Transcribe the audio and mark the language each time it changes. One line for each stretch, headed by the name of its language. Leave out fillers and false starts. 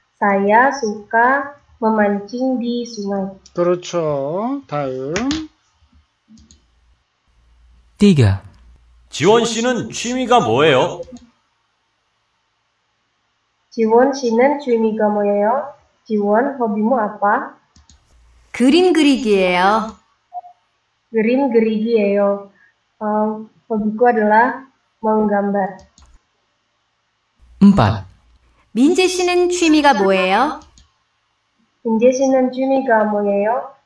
Indonesian: Saya suka memancing di sungai.
Korean: 그렇죠. 다음. 3. 지원 씨는 취미가 뭐예요? 지원 씨는 취미가 뭐예요?
Indonesian: 지원 hobi-mu apa?
Korean: 그림 그리기예요. 그림 그리기예요.
Indonesian: hobi-ku adalah menggambar.
Korean: 4. 민재 씨는 취미가 뭐예요? 민재 씨는 취미가 뭐예요?